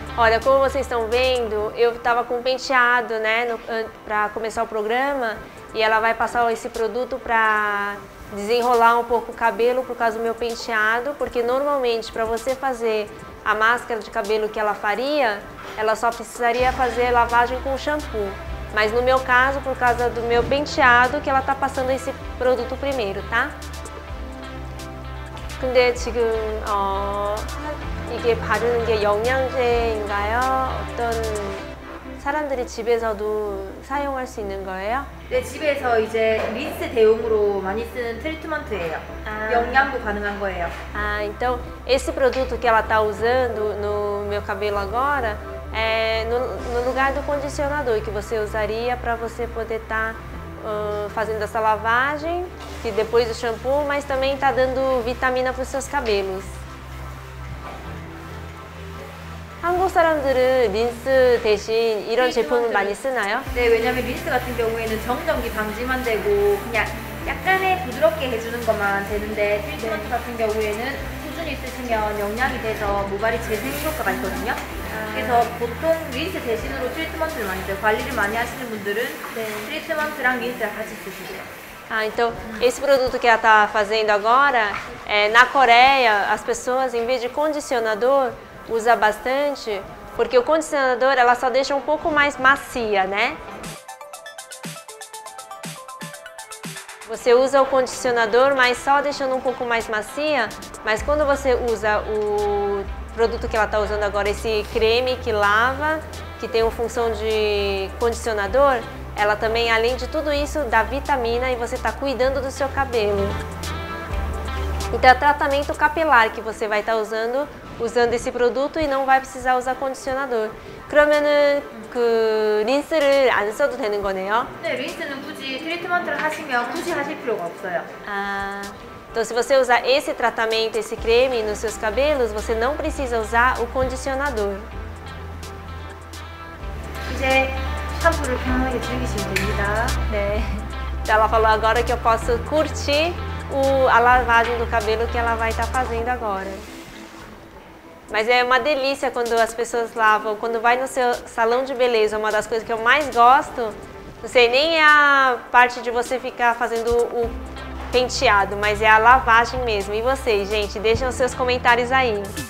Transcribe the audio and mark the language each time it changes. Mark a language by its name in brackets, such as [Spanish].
[Portuguese] Olha, como vocês estão vendo, eu estava com um penteado, né, para começar o programa e ela vai passar esse produto para desenrolar um pouco o cabelo por causa do meu penteado, porque normalmente para você fazer a máscara de cabelo que ela faria, ela só precisaria fazer lavagem com shampoo. Mas no meu caso, por causa do meu penteado, que ela está passando esse produto primeiro, tá? [Korean] 근데 지금 이게 바르는 게 영양제인가요? 어떤 사람들이 집에서도 사용할 수 있는 거예요? 네, 집에서 이제 린스 대용으로 많이 쓰는 트리트먼트예요. 아. 영양도 가능한 거예요. [Portuguese] 아, então esse produto que ela tá usando no meu cabelo agora é no lugar do condicionador que você usaria para você poder fazendo essa lavagem que depois do shampoo, mas também está dando vitamina para os seus cabelos. [Korean] 한국 사람들은 린스 대신 이런 제품을 많이 쓰나요? 네, 왜냐면 린스 같은 경우에는 정전기 방지만 되고 그냥 약간의 부드럽게 해주는 것만 되는데 트리트먼트 같은 경우에는 꾸준히 쓰시면 영양이 돼서 모발이 재생 효과가 있거든요. 그래서 보통 린스 대신으로 트리트먼트를 많이 써요. 관리를 많이 하시는 분들은 네. 트리트먼트랑 린스랑 같이 쓰시고요. [Portuguese] Ah, então esse produto que ela está fazendo agora, é, na Coreia, as pessoas, em vez de condicionador, usa bastante, porque o condicionador ela só deixa um pouco mais macia, né? Você usa o condicionador, mas só deixando um pouco mais macia, mas quando você usa o produto que ela está usando agora, esse creme que lava, que tem uma função de condicionador, ela também, além de tudo isso, dá vitamina e você está cuidando do seu cabelo. Então é tratamento capilar que você vai estar usando esse produto e não vai precisar usar condicionador. [Korean] 그러면은 그 린스를 안 써도 되는 거네요? 네, 린스는 굳이 트리트먼트를 하시면 굳이 하실 필요가 없어요. [Portuguese] 아, então se você usar esse tratamento, esse creme nos seus cabelos, você não precisa usar o condicionador. [Korean] 이제 샴푸를 편하게 즐기시면 됩니다. 네. [Portuguese] Então ela falou agora que eu posso curtir a lavagem do cabelo que ela vai estar fazendo agora. Mas é uma delícia quando as pessoas lavam, quando vai no seu salão de beleza, uma das coisas que eu mais gosto, não sei, nem é a parte de você ficar fazendo o penteado, mas é a lavagem mesmo. E vocês, gente, deixem os seus comentários aí.